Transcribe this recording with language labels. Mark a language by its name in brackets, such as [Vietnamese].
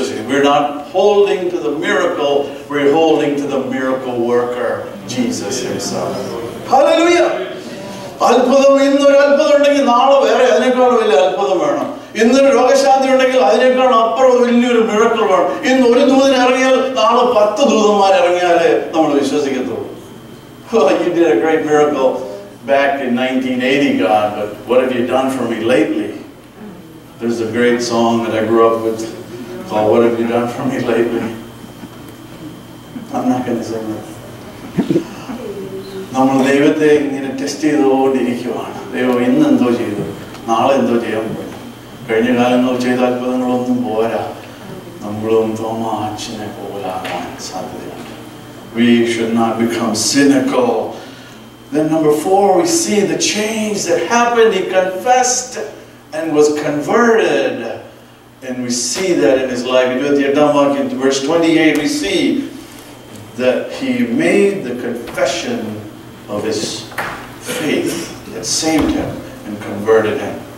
[English] We're not holding to the miracle, we're holding to the miracle worker, Jesus himself. Hallelujah! [Malayalam] അത്ഭുതം, ഇന്ന് ഒരു അത്ഭുതം ഉണ്ടെങ്കിൽ നാളെ വേറെ അതിനേക്കാളും വലിയ അത്ഭുതം വേണം. ഇന്നൊരു രോഗശാന്തി ഉണ്ടെങ്കിൽ അതിനേക്കാളും അപ്പുറം വലിയൊരു മിറക്കിൾ വേണം. ഇന്ന് ഒരു ദൂതൻ ഇറങ്ങിയാൽ നാളെ 10 ദൂതന്മാർ ഇറങ്ങിയാലേ നമ്മൾ വിശ്വസിക്കത്തു. [English] Well, you did a great miracle back in 1980, God, but what have you done for me lately? There's a great song that I grew up with called What Have You Done For Me Lately. I'm not going to sing that. [Malayalam] നമ്മൾ ദൈവത്തെ ഇങ്ങനെ test ചെയ്തുകൊണ്ടിരിക്കുവാണ്. ദൈവം ഇന്ന് എന്തോ ചെയ്തു, നാളെ എന്തോ ചെയ്യാൻ പോയി, കഴിഞ്ഞ കാലങ്ങൾ ചെയ്ത അത്ഭുതങ്ങളൊന്നും പോരാ. നമ്മളും തോമാച്ചിനെ പോലാകാൻ സാധ്യതയുണ്ട്. [English] We should not become cynical. Then number 4, we see the change that happened. He confessed and was converted. And we see that in his life. In verse 28, we see that he made the confession of his faith that saved him and converted him.